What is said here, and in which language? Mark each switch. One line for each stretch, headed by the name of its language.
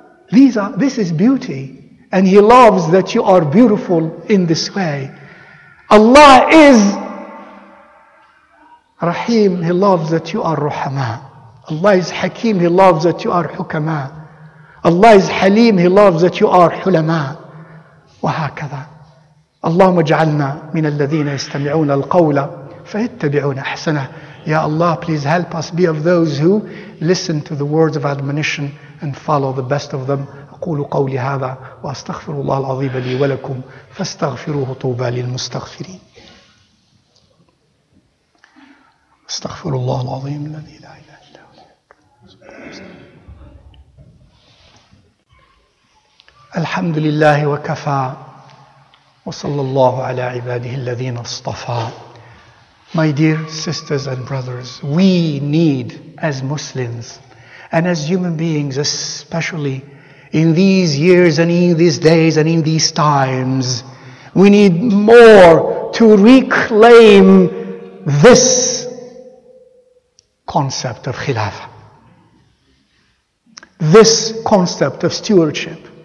English: This is beauty. And He loves that you are beautiful in this way. Allah is Rahim, He loves that you are Ruhama. Allah is Hakim, He loves that you are Hukama. Allah is Halim, He loves that you are Hulama.
Arabic: Wahakada. اللهم اجعلنا من الذين يستمعون القول فيتبعون احسنه.
English: Ya Allah, please help us be of those who listen to the words of admonition and follow the best of them.
Arabic: اقول قولي هذا واستغفر الله العظيم لي ولكم فاستغفروه طوبى للمستغفرين. استغفر الله العظيم الذي لا اله الا هو. الحمد لله وكفى وصلى الله على عباده الذين اصطفى.
English: My dear sisters and brothers, we need as Muslims and as human beings, especially in these years and in these days and in these times, we need more to reclaim this concept of khilafah, this concept of stewardship.